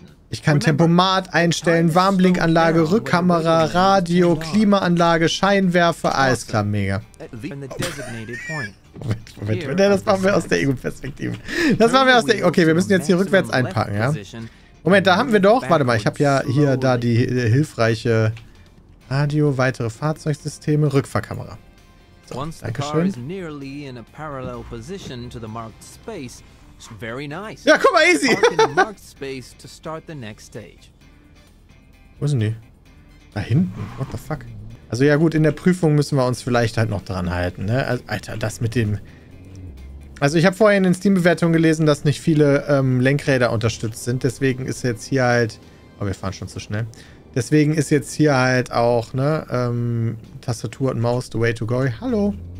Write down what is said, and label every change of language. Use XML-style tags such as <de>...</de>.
<de>Ich kann Tempomat einstellen, Warnblinkanlage, Rückkamera, Radio, Klimaanlage, Scheinwerfer. Alles klar, mega. Moment. Das machen wir aus der Ego-Perspektive. Okay, wir müssen jetzt hier rückwärts einpacken, ja? Moment, da haben wir doch. Warte mal, ich habe ja hier da die hilfreiche Radio, weitere Fahrzeugsysteme, Rückfahrkamera.</de> <en>Once the car is nearly in a parallel position to the marked space, it's very nice.</en> <de>Ja, guck mal,</de> <en>easy. Park in the marked space to start the next stage.</en> <de>Wo sind die? Da hinten?</de> <en>What the fuck?</en> <de>Also ja gut, in der Prüfung müssen wir uns vielleicht halt noch dran halten, ne? Alter, das mit dem... Also ich habe vorher in den Steam-Bewertungen gelesen, dass nicht viele Lenkräder unterstützt sind. Deswegen ist jetzt hier halt... Oh, wir fahren schon zu schnell. Deswegen ist jetzt hier halt auch, ne, Tastatur und Maus,</de> <en>the way to go.</en> <de>Hallo.</de>